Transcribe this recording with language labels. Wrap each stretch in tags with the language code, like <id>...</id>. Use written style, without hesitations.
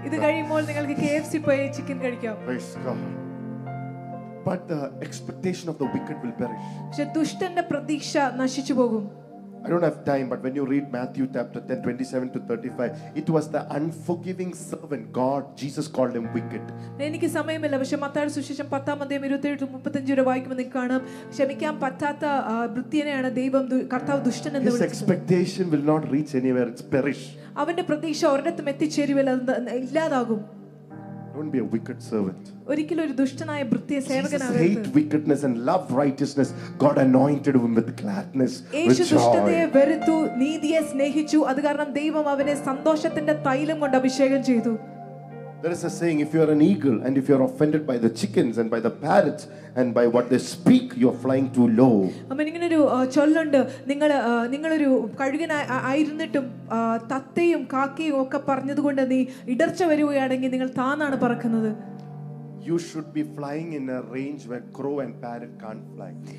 <ml>Idu kaiyumbol ningalku KFC poi chicken kadikkam.</ml> <en>Praise God. But the expectation of the wicked will perish.</en> <ml>She dushtanne pratiksha nashichu pogum.</ml> <en>I don't have time but when you read Matthew chapter 10 27 to 35 it was the unforgiving servant God Jesus called him wicked</en> <ml>എനിക്ക് സമയമില്ല പക്ഷേ മത്തായിയുടെ സുവിശേഷം 10 ആം അധ്യായം 35 വരെ വായിക്കുമ്പോൾ നിങ്ങൾ കാണാം ക്ഷമിക്കാൻ പറ്റാത്ത വൃത്തിയനെയാണ് ദൈവം കർത്താവ് ദുഷ്ടൻ എന്ന് വിളിച്ചത്</ml> <en>His expectation will not reach anywhere it's perish</en> <ml>അവന്റെ പ്രതീക്ഷ ഒരിടത്തും എത്തിച്ചേരില്ല ഇല്ലാതാകും</ml> <en>Don't be a wicked servant.</en> <ml>ഒരിക്കലും ഒരു ദുഷ്ടനായ വൃത്തിയ സേവകനാകരുത്.</ml> <en>Jesus hate wickedness and love righteousness. God anointed him with gladness.</en> <ml>യേശു ദുഷ്ടതയെ വെറുത്തു നീതിയെ സ്നേഹിച്ചു. അതുകാരണം ദൈവം അവനെ സന്തോഷത്തിന്റെ തൈലം കൊണ്ട് അഭിഷേകം ചെയ്തു.</ml> <en>There is a saying if you are an eagle and if you are offended by the chickens and by the parrots and by what they speak you are flying too low.</en> <ml>അമ്മിങ്ങനെ ഒരു ചൊല്ലുണ്ട് നിങ്ങൾ ഒരു കഴുകനായിരുന്നിട്ടും തത്തയും കാക്കയും ഒക്കെ പറഞ്ഞതുകൊണ്ട് നീ ഇടർച്ച വരുകയാണെങ്കിൽ നിങ്ങൾ താനാണ് പറക്കുന്നത്.</ml> <en>You should be flying in a range where crow and parrot can't fly.</en>